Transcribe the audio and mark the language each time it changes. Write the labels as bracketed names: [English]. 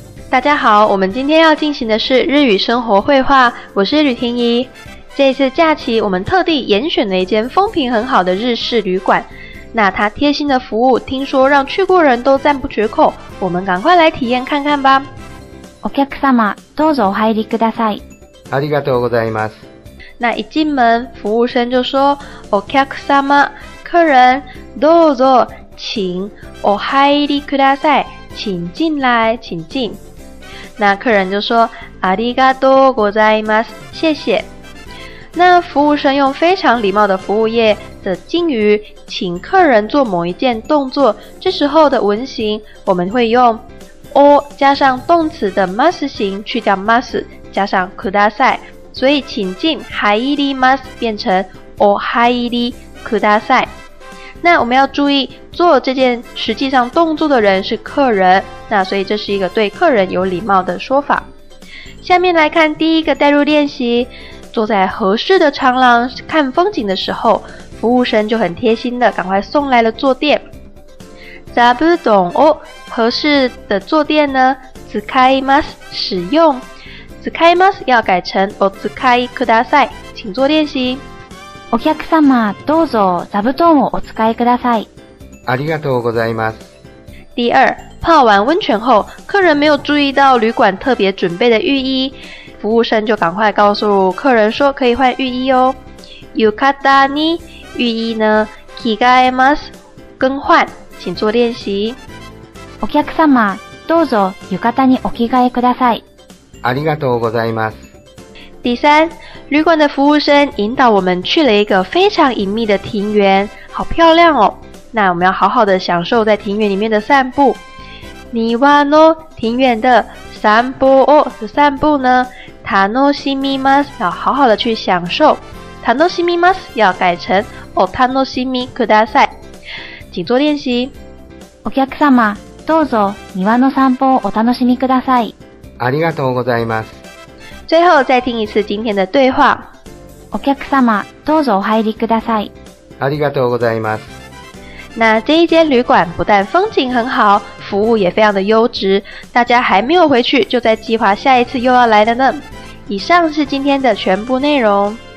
[Chinese] 大家好，我们今天要进行的是日语生活绘画，我是吕婷宜。这次假期我们特地严选了一间风评很好的日式旅馆，那它贴心的服务听说让去过人都赞不绝口，我们赶快来体验看看吧。 [Japanese] お客様、どうぞお入りください。ありがとうございます。 [Chinese] 那一进门，服务生就说 [Japanese] お客様、 [Chinese] 客人、 [Japanese] どうぞ、 [Chinese] 请、 [Japanese] お入りください、 [Chinese] 请进来、请进。那客人就说 [Japanese] ありがとうございます、 [Chinese] 谢谢。那服务生用非常礼貌的服务业的敬语请客人做某一件动作，这时候的文型我们会用お加上动词的 must 型，去掉 must 加上 ください，所以请进 [Japanese] 入ります [Chinese] 变成 [Japanese] お入りください。 [Chinese] 那我们要注意，做这件实际上动作的人是客人，那所以这是一个对客人有礼貌的说法。下面来看第一个代入练习，坐在合适的长廊看风景的时候，服务生就很贴心的赶快送来了坐垫。 [Japanese] 座布団を、 [Chinese] 合适的坐垫呢， [Japanese] 使います， [Chinese] 使用。 [Japanese] 使います [Chinese] 要改成 [Japanese] お使いください， [Chinese] 请做练习。 [Japanese] お客様、どうぞ座布団をお使いください。ありがとうございます。 [Chinese] 第二，泡完温泉后，客人没有注意到旅馆特别准备的浴衣，服务生就赶快告诉客人说可以换浴衣哦。 [Japanese] 浴衣に、 [Chinese] 浴衣呢， [Japanese] 着替えます， [Chinese] 更换。请做练习。 [Japanese] お客様、どうぞ浴衣にお着替えください。ありがとうございます。 [Chinese] 第三，旅馆的服务生引导我们去了一个非常隐秘的庭园，好漂亮哦。那我们要好好的享受在庭园里面的散步。 [Japanese] 庭の [Chinese] 庭園的 [Japanese] 散歩を [Chinese] 散步呢， [Japanese] 楽しみます [Chinese] 要好好的去享受。 [Japanese] 楽しみます [Chinese] 要改成 [Japanese] お楽しみください。 [Chinese] 请做练习。 [Japanese] お客様、どうぞ庭の散歩をお楽しみください。ありがとうございます。 [Chinese] 最后再听一次今天的对话。 [Japanese] お客様、どうぞお入りください。ありがとうございます。 [Chinese] 那这一间旅馆不但风景很好，服务也非常的优质，大家还没有回去，就在计划下一次又要来了呢。以上是今天的全部内容。